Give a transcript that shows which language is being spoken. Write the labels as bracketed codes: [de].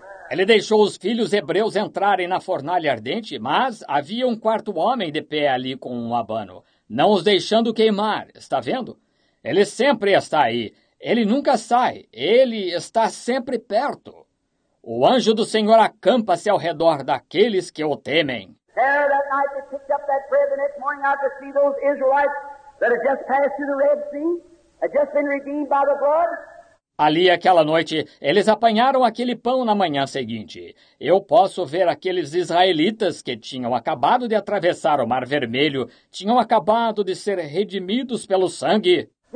[pt] Ele deixou os filhos hebreus entrarem na fornalha ardente, mas havia um quarto homem de pé ali com um abano, não os deixando queimar, está vendo? Ele sempre está aí, ele nunca sai, ele está sempre perto. O anjo do Senhor acampa-se ao redor daqueles que o temem. [en] There, that night they picked up that bread, the next morning I could see those Israelites that had just passed through the Red Sea, had just been redeemed by the blood. [pt] Ali, aquela noite, eles apanharam aquele pão na manhã seguinte. Eu posso ver aqueles israelitas que tinham acabado de atravessar o Mar Vermelho, tinham acabado de ser redimidos pelo sangue.